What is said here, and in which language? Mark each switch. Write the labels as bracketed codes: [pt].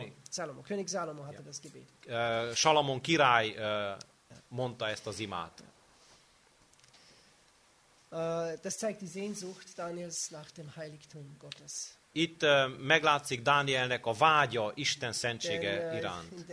[de] Salomo, König Salomo hatte das Gebet. [hu] Salomon király mondta ezt az imát. [de] Das zeigt die Sehnsucht Daniels nach dem Heiligtum Gottes. [hu] Itt meglátszik Dánielnek a vágya Isten szentsége iránt.